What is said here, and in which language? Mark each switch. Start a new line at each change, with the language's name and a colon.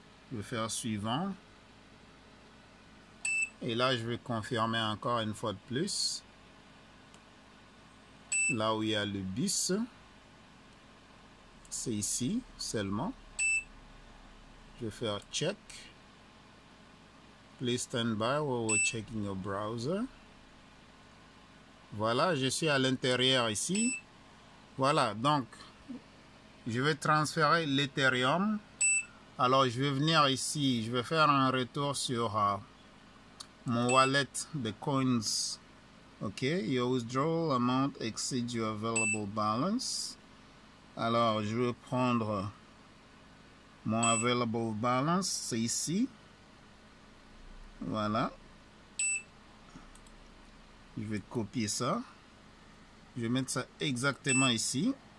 French: Je vais faire suivant. Et là, je vais confirmer encore une fois de plus. Là où il y a le bus, c'est ici seulement. Je vais faire check.
English: Please stand by while we're checking your browser.
French: Voilà, je suis à l'intérieur ici. Voilà, donc je vais transférer l'Ethereum. Alors je vais venir ici, je vais faire un retour sur mon wallet de coins.
English: Ok, your withdrawal amount exceeds your available balance.
French: Alors je vais prendre mon
English: available balance,
French: c'est ici. Voilà. Je vais copier ça. Je vais mettre ça exactement ici.